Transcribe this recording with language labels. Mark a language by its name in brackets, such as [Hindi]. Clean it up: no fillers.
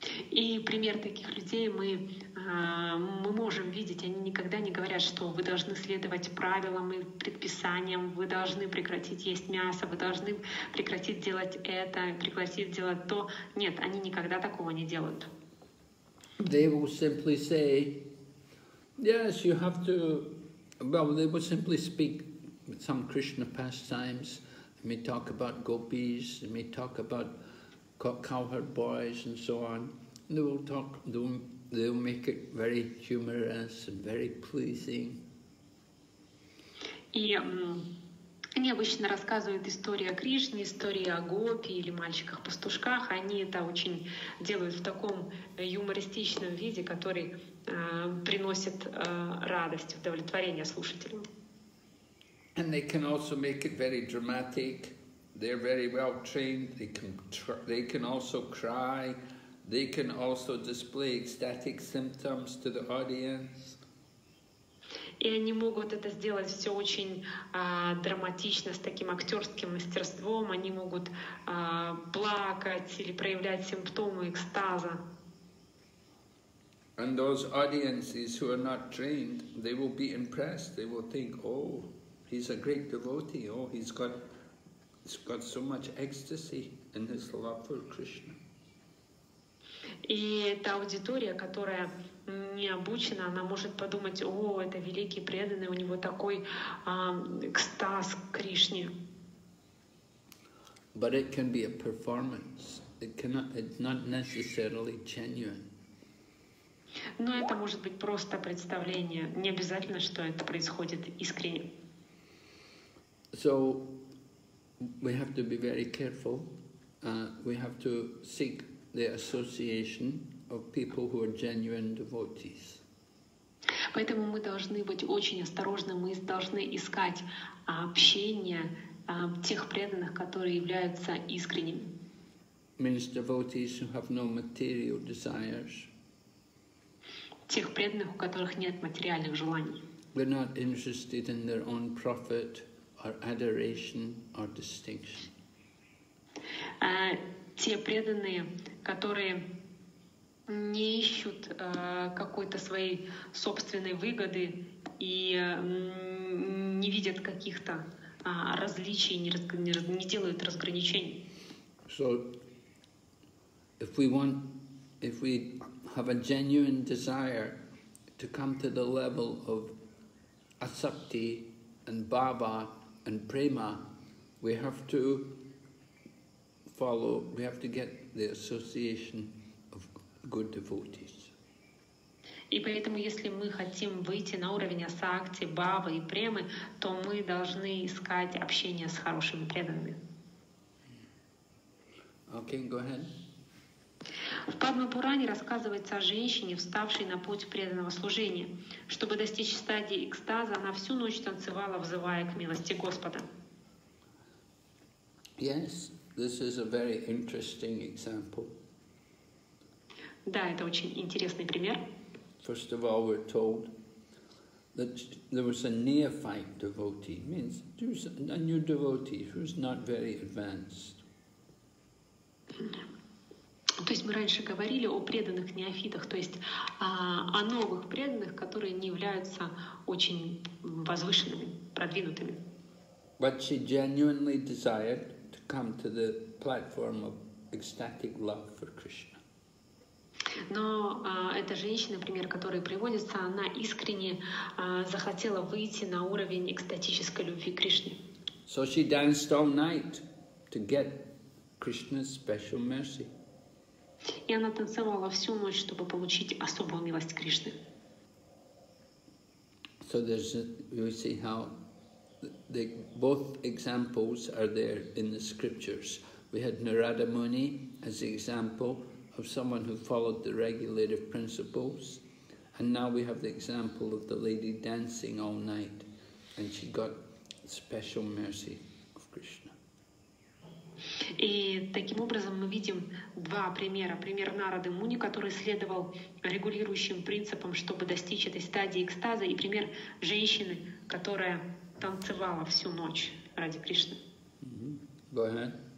[Russian] И пример таких людей мы можем видеть. Они никогда не говорят, что вы должны следовать правилам и предписаниям, вы должны прекратить есть мясо, вы должны прекратить делать это, прекратить делать то. Нет, они никогда такого не делают. [English] They will simply say, yes, you have to, well, they will simply speak some Krishna pastimes. They may talk about gopis, they may talk about cowherd boys and so on. They will talk, they'll make it very humorous and very pleasing. [Russian] И они обычно рассказывают истории о Кришне, истории о гопи или мальчиках-пастушках. Они это очень делают в таком юмористичном виде, который приносит радость, удовлетворение слушателям. [English] And they can also make it very dramatic. They're very well trained. They can also cry. They can also display ecstatic symptoms to the audience. [Russian] И они могут это сделать все очень драматично, с таким актерским мастерством. Они могут плакать или проявлять симптомы экстаза. [English] And those audiences who are not trained, they will be impressed. They will think, "Oh, he's a great devotee. Oh, he's got so much ecstasy in his love for Krishna." [Russian] И эта аудитория, которая не обучена, она может подумать, о, это великий преданный, у него такой экстаз к Кришне. [English] But it can be a performance. It's not necessarily genuine. [Russian] Но это может быть просто представление. Не обязательно, что это происходит искренне. [English] So we have to be very careful. We have to seek the association of people who are genuine devotees. [Russian] Поэтому мы должны быть очень осторожны, мы должны искать общение тех преданных, которые являются искренними. [English] Means devotees who have no material desires. [Russian] Тех преданных, у которых нет материальных желаний. [English] They're not interested in their own profit or adoration or distinction. [Russian] Те преданные, которые не ищут какой-то своей собственной выгоды и не видят каких-то различий, не делают разграничений. [English] So, if we want, if we have a genuine desire to come to the level of Asakti and Bhava and Prema, we have to follow, we have to get the association of good devotees. [Russian] И поэтому, если мы хотим выйти на уровень Асакти, Бхавы и Премы, то мы должны искать общение с хорошими преданными. [English] Okay, go ahead. [Russian] В Падма-Пуране рассказывается о женщине, вставшей на путь преданного служения. Чтобы достичь стадии экстаза, она всю ночь танцевала, взывая к милости Господа. [English] Yes, this is a very interesting example. [Russian] Да, это очень интересный пример. [English] First of all, we're told that there was a neophyte devotee, means there was a new devotee who was not very advanced. [Russian] То есть мы раньше говорили о преданных неофитах, то есть о новых преданных, которые не являются очень возвышенными, продвинутыми. [English] But she genuinely desired to come to the platform of ecstatic love for Krishna. [Russian] Но эта женщина, пример, который приводится, она искренне захотела выйти на уровень экстатической любви к Кришне. [English] So she danced all night to get Krishna's special mercy. [Russian] И она танцевала всю ночь, чтобы получить особую милость Кришны. [English] So there's we see how the both examples are there in the scriptures. We had Narada Muni as the example of someone who followed the regulative principles, and now we have the example of the lady dancing all night, and she got special mercy of Krishna. [Russian] И таким образом мы видим два примера. Пример Нарады Муни, который следовал регулирующим принципам, чтобы достичь этой стадии экстаза, и пример женщины, которая танцевала всю ночь ради Кришны. [English] Mm-hmm. Go ahead.